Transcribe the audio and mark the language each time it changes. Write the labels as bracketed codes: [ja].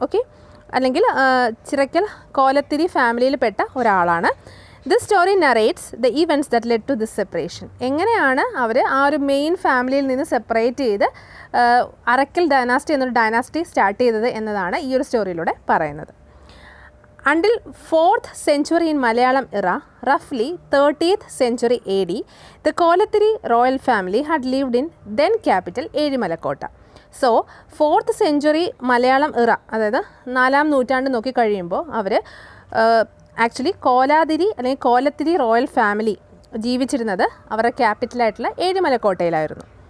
[ml] Okay, അല്ലെങ്കിൽ ചിറക്കൽ കോലത്തിരി ഫാമിലിയിൽപ്പെട്ട ഒരാളാണ്. [en] This story narrates the events that led to this separation. [ml] എങ്ങനെയാണ് അവർ ആ ഒരു മെയിൻ ഫാമിലിയിൽ നിന്ന് സെപ്പറേറ്റ് ചെയ്ത് അരക്കൽ ഡൈനാസ്റ്റി എന്നൊരു ഡൈനാസ്റ്റി സ്റ്റാർട്ട് ചെയ്തത് എന്നതാണ് ഈ ഒരു സ്റ്റോറിയിലൂടെ പറയുന്നത്. [en] Until 4th century in Malayalam era, roughly 30th century AD, the Kolathiri royal family had lived in then capital Edimalakota. So, 4th century Malayalam era, [ml] അതായത് നാലാം നൂറ്റാണ്ട് നോക്കിക്കഴിയുമ്പോൾ അവർ ആക്ച്വലി കോലാതിരി അല്ലെങ്കിൽ കോലത്തിരി റോയൽ ഫാമിലി ജീവിച്ചിരുന്നത് അവരുടെ ക്യാപിറ്റലായിട്ടുള്ള ഏഴിമലക്കോട്ടയിലായിരുന്നു.